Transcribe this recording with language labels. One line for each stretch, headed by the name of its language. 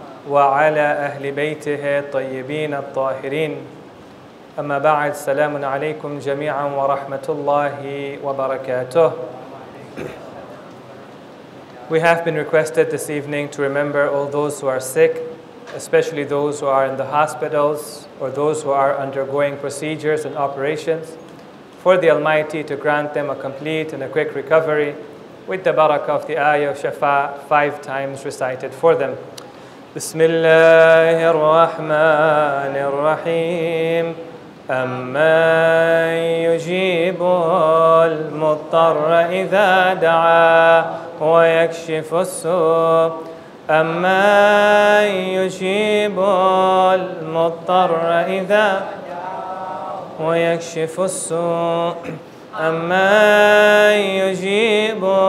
Arabic: وعلى أهل بيته الطيبين الطاهرين أما بعد سلام عليكم جميعا ورحمة الله وبركاته.
English: We have been requested this evening to remember all those who are sick, especially those who are in the hospitals or those who are undergoing procedures and operations, for the Almighty to grant them a complete and a quick recovery with the barakah of the ayah of Shafa 5 times recited for them.
Arabic: بسم الله الرحمن الرحيم أَمَّنْ يُجِيبُ الْمُضْطَرَّ إِذَا دَعَى وَيَكْشِفُ السُّوءَ أَمَّنْ يُجِيبُ الْمُضْطَرَّ إِذَا دَعَى وَيَكْشِفُ السُّوءَ أَمَّنْ يُجِيبُ